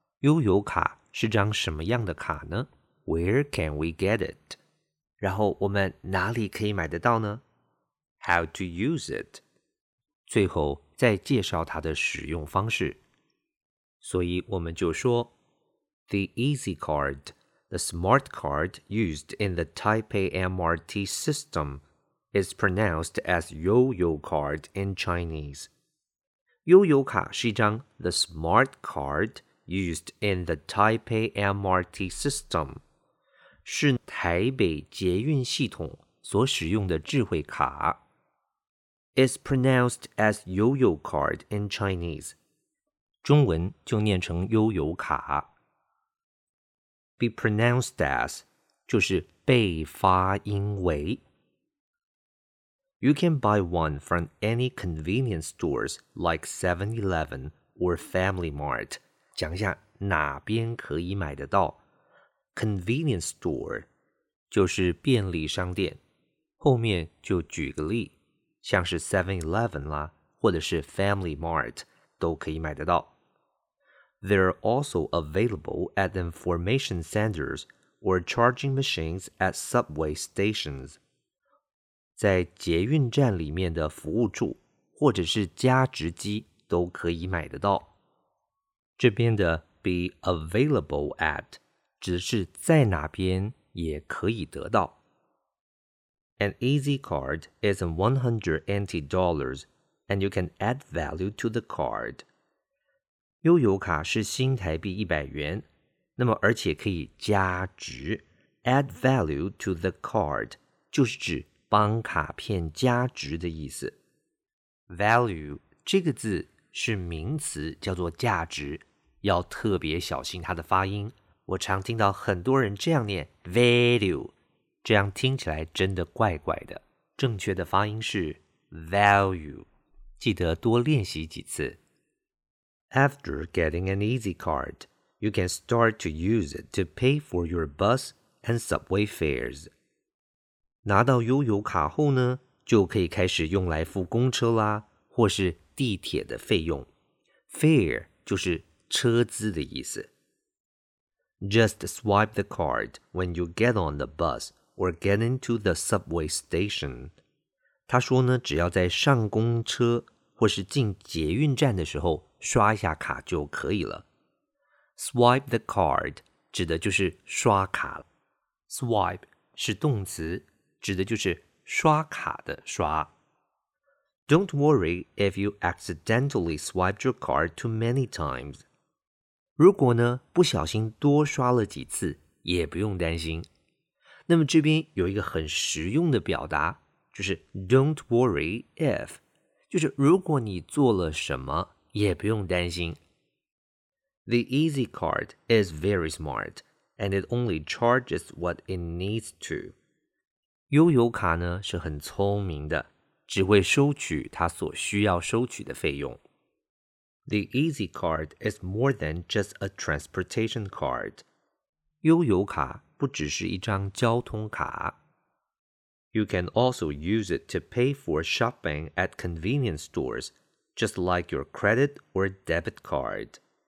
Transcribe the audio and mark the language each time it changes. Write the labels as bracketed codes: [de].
[zh] 悠游卡是张什么样的卡呢？ [en] Where can we get it? [zh] 然后我们哪里可以买得到呢 [en] ?How to use it? [zh] 最后再介绍它的使用方式。所以我们就说 [en] ,The Easy Card, the smart card used in the Taipei MRT system, is pronounced as Yo-Yo Card in Chinese. [zh] Yo-Yo 卡是一张 [en] the smart card used in the Taipei MRT system. [zh] 是台北捷运系统所使用的智慧卡。 [en] It's pronounced as Yo-Yo Card in Chinese. [zh] 中文就念成悠游卡。 [en] Be pronounced as [zh] 就是被发音为。 [en] You can buy one from any convenience stores like 7-Eleven or Family Mart. [zh] 讲一下哪边可以买得到。 [en] Convenience store [zh] 就是便利商店，后面就举个例，像是 7-Eleven 啦，或者是 Family Mart 都可以买得到。 [en] They're also available at information centers or charging machines at subway stations. [zh] 在捷运站里面的服务处，或者是加值机都可以买得到。这边的 [en] be available at [zh] 只是在哪边也可以得到。 [en] An easy card is 100 NT dollars, and you can add value to the card. [zh] 悠游卡是新台币100元，那么而且可以加值。 [en] Add value to the card [zh] 就是指帮卡片加值的意思。 [en] Value [zh] 这个字是名词，叫做价值，要特别小心它的发音。我常听到很多人这样念 value， 这样听起来真的怪怪的。正确的发音是 [en] value， [zh] 记得多练习几次。 [en] After getting an easy card, you can start to use it to pay for your bus and subway fares. [zh] 拿到悠游卡后呢，就可以开始用来付公车啦，或是地铁的费用。 Fare 就是车资的意思。 [en] Just swipe the card when you get on the bus or get into the subway station. [zh] 他说呢，只要在上公车或是进捷运站的时候刷一下卡就可以了。 Swipe the card 指的就是刷卡。 Swipe 是动词，指的就是刷卡的刷。 [en] Don't worry if you accidentally swiped your card too many times. [zh] 如果呢不小心多刷了几次，也不用担心。那么这边有一个很实用的表达，就是 [en] Don't worry if， [zh] 就是如果你做了什么，也不用担心。 [en] The Easy Card is very smart, and it only charges what it needs to. [zh] 悠游卡呢是很聪明的，只会收取它所需要收取的费用。 [en] The Easy Card is more than just a transportation card. [zh] 悠游卡不只是一张交通卡。 [en] You can also use it to pay for shopping at convenience stores, just like your credit or debit card.